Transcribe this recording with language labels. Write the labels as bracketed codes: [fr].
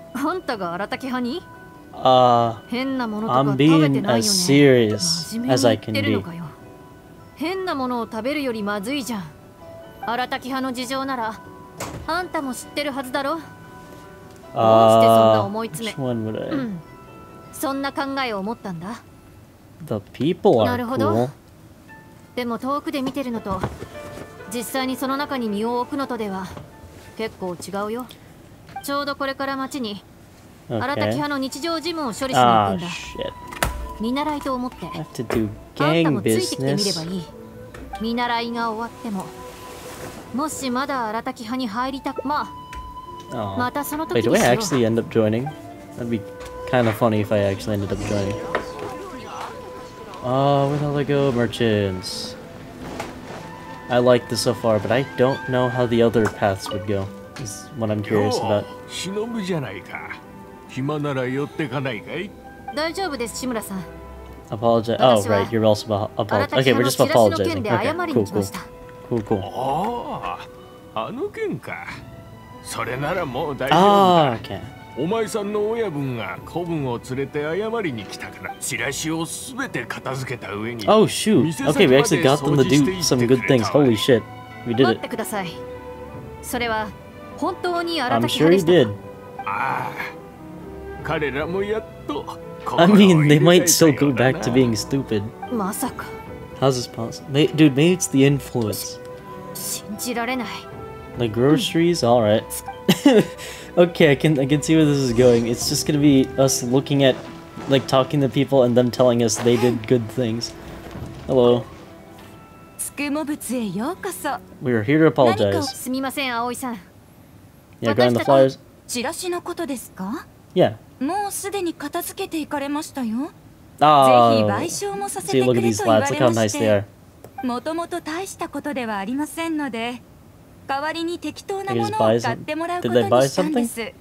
[en] I'm being as serious as I can be. [ja] Arataki-haの事情ならあんたも知ってるはずだろ。どうしてそんな思い詰め、うん、そんな考えを持ったんだ。 [en] The people are cool. [ja] なるほど。でも遠くで見てるのと実際にその中に身を置くのとでは結構違うよ。ちょうどこれから町に新たき派の日常事務を処理しに行くんだ。見習いと思って。あんたもついてきてみればいい。見習いが終わっても、もしまだ新たき派に入りたく、まあ、またその時にしよう。 [en] Wait, do I actually end up joining? That'd be kind of funny if I actually ended up joining. Oh, where the hell do I go, merchants? I like this so far, but I don't know how the other paths would go. Is what I'm curious about. [ja] Shinobu じゃないか。暇なら寄ってかないかい？大丈夫です、志村さん。 [en] Apologize. Oh, right. You're also apologizing. Okay, we're just apologizing. Okay, cool, cool. Cool, cool. [ja] Ah, あの件か。それならもう大丈夫だ。お前さんの親分が子分を連れて謝りに来たから、チラシをすべて片付けた上に。 [en] Oh, shoot. Okay, we actually got them to do some good things. Holy shit. We did it. [ja] 待ってください。それは本当に荒滝派でした。 ああ、彼らもやっと。 [en] I mean, they might still go back to being stupid. [ja] まさか。 [en] How's this possible? Dude, maybe it's the influence. [ja] 信じられない。 [en] The groceries? Alright. Okay, I can see where this is going. It's just gonna be us looking at, like, talking to people and them telling us they did good things. Hello. [ja] Tsukumobutsu へようこそ。 [en] We are here to apologize. [ja] 何かすみません、葵さん。 [en] Yeah, grind the flyers. [ja] チラシのことですか？ [en] Yeah. [ja] もうすでに片付けていかれましたよ。ああ、ぜひ賠償もさせてくれと言われまして。もともと大したことではありませんので、代わりに適当なものを買ってもらうことにしたんです。